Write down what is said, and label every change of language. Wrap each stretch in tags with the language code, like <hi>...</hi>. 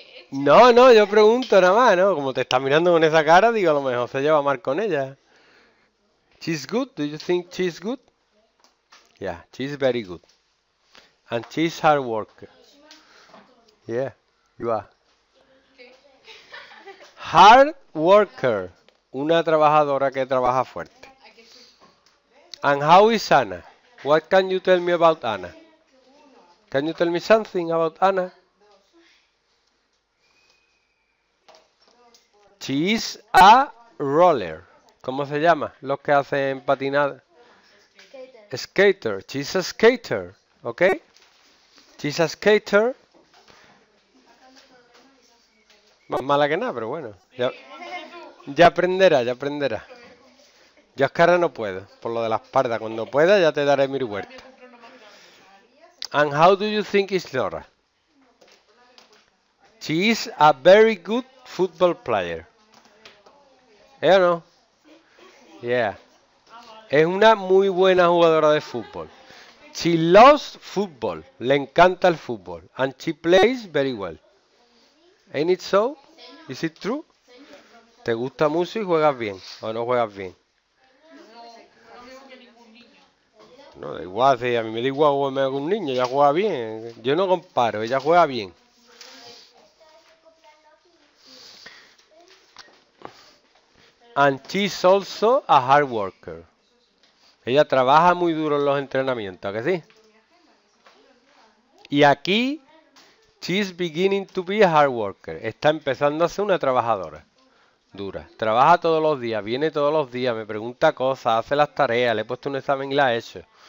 <es>No, no, yo pregunto nada más, ¿no? Como te está mirando con esa cara, digo, a lo mejor se lleva mal con ella.</es> <en>She's good, do you think she's good? Yeah, she's very good. And she's hard worker. Yeah, you are. Hard worker,</en> <es>una trabajadora que trabaja fuerte.</es> <en>And how is Anna? What can you tell me about Anna? Can you tell me something about Anna? She is a roller.</en> <es>¿Cómo se llama? Los que hacen patinada. Skater.</es> <en>She's a skater. ¿Ok? She's a skater.</en> <es>Más mala que nada, pero bueno. Ya, ya aprenderá, ya aprenderá. Yo es que ahora no puedo, por lo de la espalda. Cuando pueda ya te daré mi huerta.</es> <en>And how do you think is Nora? She is a very good football player.</en> <es>¿Eh o no? Yeah. Es una muy buena jugadora de fútbol.</es> <en>She loves football.</en> <es>Le encanta el fútbol.</es> <en>And she plays very well. Ain't it so? Is it true?</en> <es>¿Te gusta mucho y juegas bien? ¿O no juegas bien? No, da igual, si a mí me da igual jugarme con un niño, ella juega bien. Yo no comparo, ella juega bien.</es> <en>And she's also a hard worker.</en> <es>Ella trabaja muy duro en los entrenamientos, ¿a que sí? Y aquí,</es> <en>she's beginning to be a hard worker.</en> <es>Está empezando a ser una trabajadora. Dura. Trabaja todos los días, viene todos los días, me pregunta cosas, hace las tareas, le he puesto un examen y la he hecho.</es>